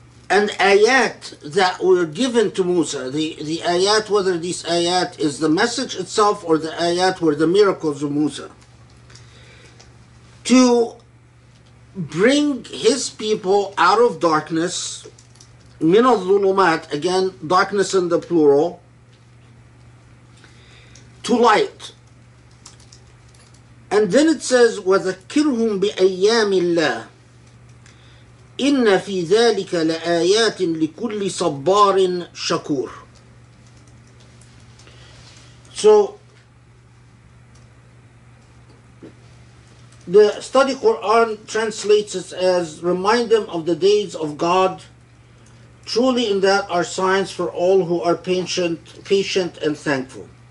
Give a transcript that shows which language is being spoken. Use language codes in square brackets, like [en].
[en] and ayat that were given to Musa, the ayat, whether this ayat is the message itself or the ayat were the miracles of Musa, to bring his people out of darkness, [ar] min al-dhulumat, [en] again, darkness in the plural, to light. [ar] And then it says, وَذَكِّرْهُمْ بِأَيَّامِ اللَّهِ إِنَّ فِي ذَٰلِكَ لَآيَاتٍ لِكُلِّ صَبَّارٍ شَكُورٍ. [en] So, the study Quran translates it as, remind them of the days of God. Truly in that are signs for all who are patient and thankful.